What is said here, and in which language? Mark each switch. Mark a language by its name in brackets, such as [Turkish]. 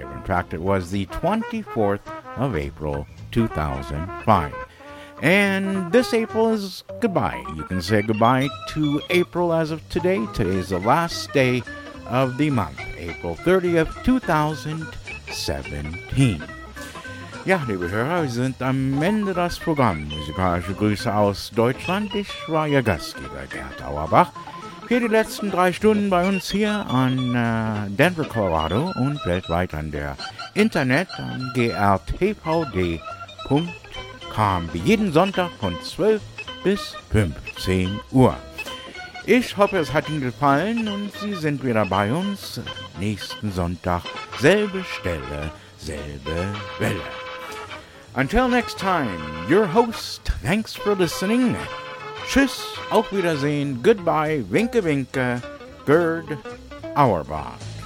[English] In fact, it was the 24th of April, 2005. And this April is goodbye. You can say goodbye to April as of today. Today is the last day of the month. April 30th, 2017. [German] Ja, liebe Hörer, wir sind am Ende des Programms. Musikalische Grüße aus Deutschland. Ich war Ihr Gastgeber, Gerd Auerbach. Für die letzten 3 Stunden bei uns hier an Denver, Colorado und weltweit an der Internet an grtvd.com. Wie jeden Sonntag von 12 bis 15 Uhr. Ich hoffe, es hat Ihnen gefallen und Sie sind wieder bei uns nächsten Sonntag. Selbe Stelle, selbe Welle. [English] Until next time, your host, thanks for listening. [German] Tschüss, auf Wiedersehen, goodbye, winke winke, Gerd Auerbach.